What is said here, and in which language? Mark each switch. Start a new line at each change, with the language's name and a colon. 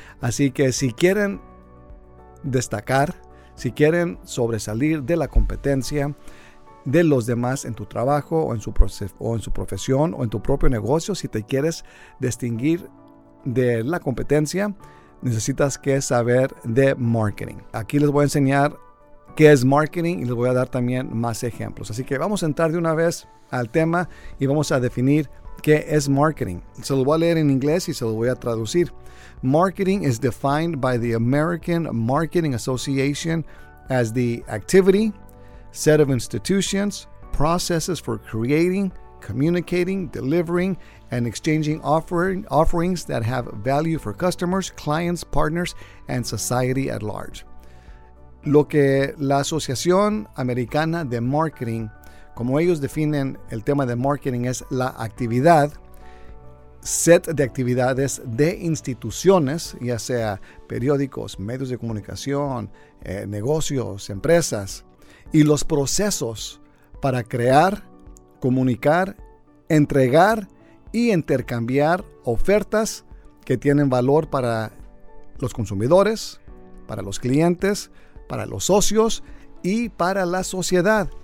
Spanish: Así que si quieren destacar, si quieren sobresalir de la competencia de los demás en tu trabajo o en su profesión o en tu propio negocio, si te quieres distinguir de la competencia, necesitas que saber de marketing. Aquí les voy a enseñar qué es marketing y les voy a dar también más ejemplos. Así que vamos a entrar de una vez al tema y vamos a definir qué es marketing. Se lo voy a leer en inglés y se lo voy a traducir.
English: Marketing is defined by the American Marketing Association as the activity, set of institutions, processes for creating, communicating, delivering, and exchanging offerings that have value for customers, clients, partners, and society at large.
Spanish: Lo que la Asociación Americana de Marketing, como ellos definen el tema de marketing, es la actividad, set de actividades de instituciones, ya sea periódicos, medios de comunicación, negocios, empresas, y los procesos para crear, comunicar, entregar y intercambiar ofertas que tienen valor para los consumidores, para los clientes, para los socios y para la sociedad.